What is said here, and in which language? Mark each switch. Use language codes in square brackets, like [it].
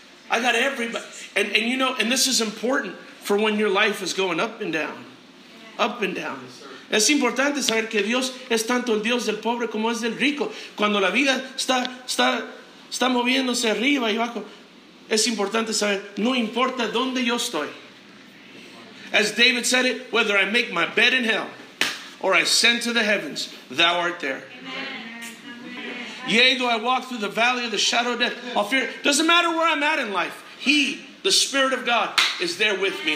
[en] I got everybody. And you know, and this is important for when your life is going up and down. Up and down. [es] Es importante saber que Dios es tanto el Dios del pobre como es del rico. Cuando la vida está moviéndose arriba y abajo, es importante saber, no importa dónde yo estoy. [en] As David said it, whether I make my bed in hell or I ascend to the heavens, thou art there. Amen. Yea, though I walk through the valley of the shadow of death, I'll fear. Doesn't matter where I'm at in life. He, the Spirit of God, is there with me.